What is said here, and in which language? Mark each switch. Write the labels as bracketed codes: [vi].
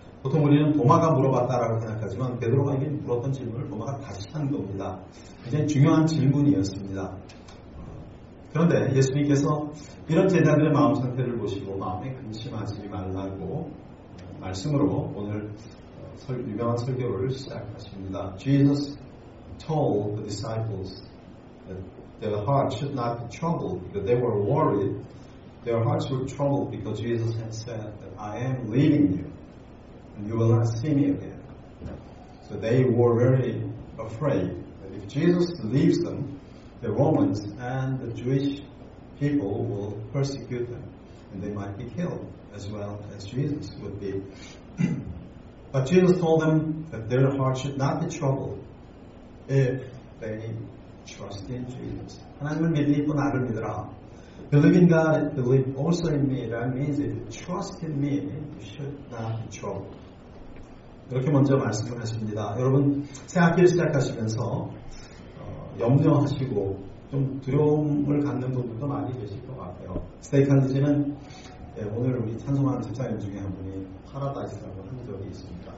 [ko] 보통 우리는 도마가 물어봤다라고 생각하지만 베드로가 이미 물었던 질문을 도마가 다시 한 겁니다. 굉장히 중요한 질문이었습니다. 그런데 예수님께서 이런 제자들의 마음 상태를 보시고 마음에 근심하지 말라고 말씀으로 오늘 유명한 설교를 시작하십니다. [en] Jesus told the disciples that their heart should not be troubled because they were worried. Their hearts were troubled because Jesus had said that I am leaving you and you will not see me again. So they were very afraid that if Jesus leaves them, the Romans and the Jewish people will persecute them and they might be killed as well as Jesus would be. But Jesus told them that their heart should not be troubled if they trust in Jesus. [ko] 하나님을 믿으니까 나를 믿으라. [en] Believe in God, believe also in me. That means if you trust in me, you should not be troubled. [ko] 이렇게 먼저 말씀을 하십니다. 여러분, 새학기를 시작하시면서 염려하시고 좀 두려움을 갖는 분들도 많이 계실 것 같아요. 스테이칸드지는 오늘 우리 찬송하는 집사님 중에 한 분이 파라다이스라고 한 적이 있습니다.